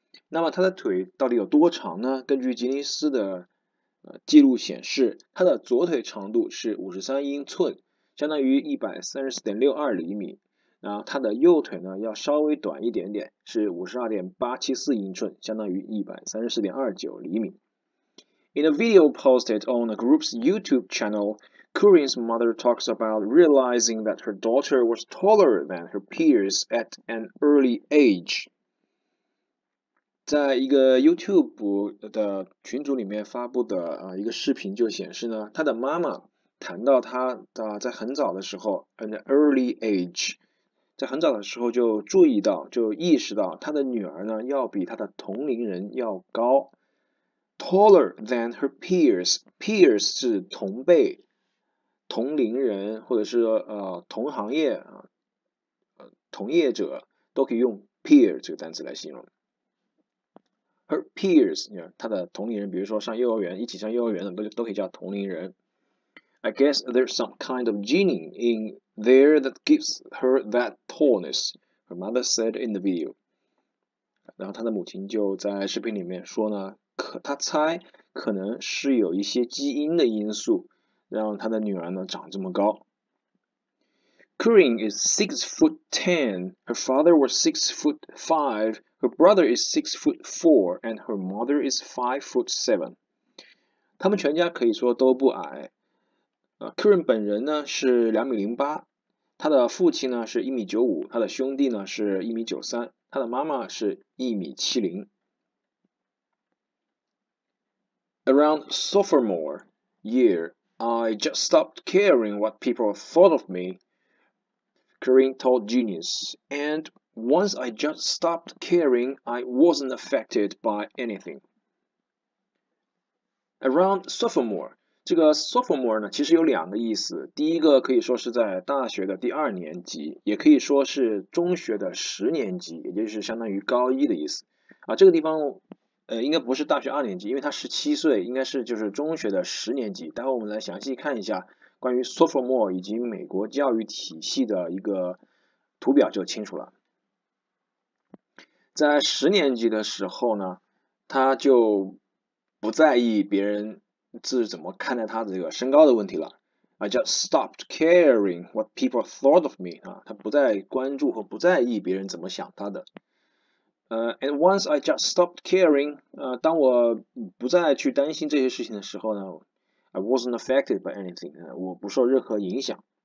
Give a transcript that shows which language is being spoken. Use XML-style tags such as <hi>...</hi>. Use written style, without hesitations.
<zh>那么她的腿到底有多长呢？根据吉尼斯的记录显示，她的左腿长度是53英寸。相当于 134.62 厘米，然后他的右腿呢要稍微短一点点，是 52.874 英寸，相当于 134.29 厘米。</zh> <en>In a video posted on the group's YouTube channel, Curran's mother talks about realizing that her daughter was taller than her peers at an early age.</en> <zh>在一个 YouTube 的群组里面发布的一个视频就显示呢，他的妈妈谈到他在很早的时候 ，</zh> <en>an early age，</en> <zh>在很早的时候就注意到，就意识到他的女儿呢要比他的同龄人要高 ，</zh> <en>taller than her peers。</en> <zh>peers 是同辈、同龄人或者是同行业同业者都可以用 peer 这个单词来形容。</zh> <en>her peers，</en> <zh>你看他的同龄人，比如说上幼儿园一起上幼儿园的都可以叫同龄人。</zh> <en>I guess there's some kind of gene in there that gives her that tallness, her mother said in the video.</en> <zh>然后她的母亲就在视频里面说呢，她猜可能是有一些基因的因素让她的女儿呢长这么高。</zh> <en>Curran is 6'10", her father was 6'5", her brother is 6'4", and her mother is 5'7".</en> <zh>他们全家可以说都不矮。Curran 本人呢是2.08米，他的父亲呢是1.95米，他的兄弟呢是1.93米，他的妈妈是1.70米。</zh> <en>Around sophomore year, I just stopped caring what people thought of me, Curran told Genius. And once I just stopped caring, I wasn't affected by anything. Around sophomore.</en> <zh>这个 sophomore 呢其实有两个意思，第一个可以说是在大学的第二年级，也可以说是中学的十年级，也就是相当于高一的意思。这个地方应该不是大学二年级，因为他17岁，应该是就是中学的十年级。待会我们来详细看一下关于 sophomore 以及美国教育体系的一个图表就清楚了。在十年级的时候呢，他就不在意别人是怎么看待他的这个身高的问题了。</zh> <en>I just stopped caring what people thought of me.</en> <zh>他不再关注和不在意别人怎么想他的。</zh> <en>And once I just stopped caring,</en> <zh>当我不再去担心这些事情的时候呢</zh> <en>，I wasn't affected by anything.</en> <zh>我不受任何影响。</zh>